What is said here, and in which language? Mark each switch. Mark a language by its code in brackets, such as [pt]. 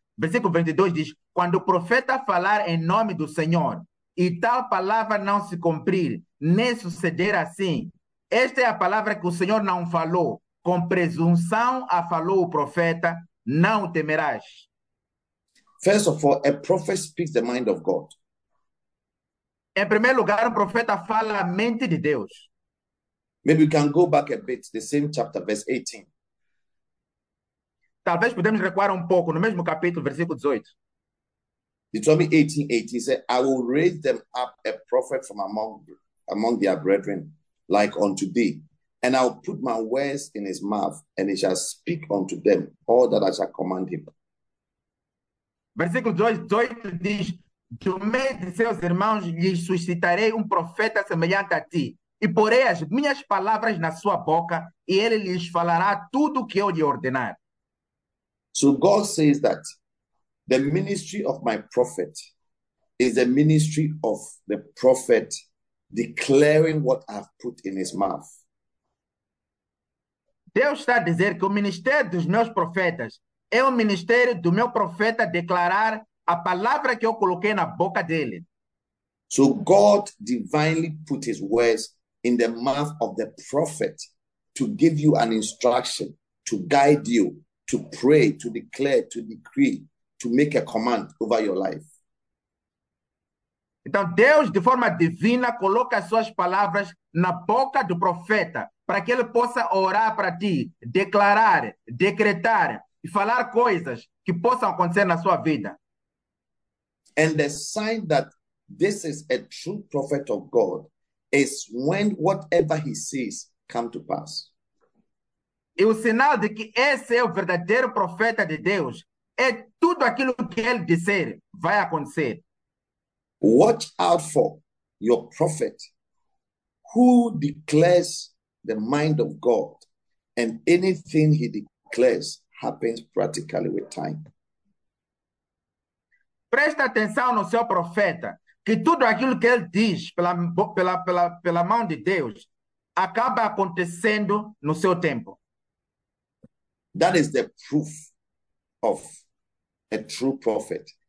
[pt] Versículo 22 diz, quando o profeta falar em nome do Senhor, e tal palavra não se cumprir, nem suceder assim, esta é a palavra que o Senhor não falou, com presunção a falou o profeta, não temerás. [en] First of all, a prophet speaks the mind of God. [pt] Em primeiro lugar, profeta fala a mente de Deus. [en] Maybe we can go back a bit, the same chapter, verse 18. [pt] Talvez podemos recuar pouco no mesmo capítulo, versículo 18. [en] Deuteronomy 18:18, he said, I will raise them up a prophet from among their brethren, like unto thee. And I'll put my words in his mouth, and he shall speak unto them all that I shall command him. [pt] Versículo 18 diz, do meio de seus irmãos lhes suscitarei profeta semelhante a ti, e porei as minhas palavras na sua boca, e ele lhes falará tudo o que eu lhe ordenar. [en] So God says that the ministry of my prophet is the ministry of the prophet declaring what I've put in his mouth. [pt] Deus está a dizer que o ministério dos meus profetas é o ministério do meu profeta declarar a palavra que eu coloquei na boca dele. [en] So God divinely put his words in the mouth of the prophet to give you an instruction, to guide you, to pray, to declare, to decree, to make a command over your life. [pt] Então Deus, de forma divina, coloca as suas palavras na boca do profeta para que ele possa orar para ti, declarar, decretar e falar coisas que possam acontecer na sua vida. [en] And the sign that this is a true prophet of God is when whatever he says come to pass. [pt] E o sinal de que esse é o verdadeiro profeta de Deus é tudo aquilo que ele disser vai acontecer. [en] Watch out for your prophet who declares the mind of God, and anything he declares happens practically with time. [pt] Presta atenção no seu profeta, que tudo aquilo que ele diz pela mão de Deus acaba acontecendo no seu tempo. [en] That is the proof of a true prophet.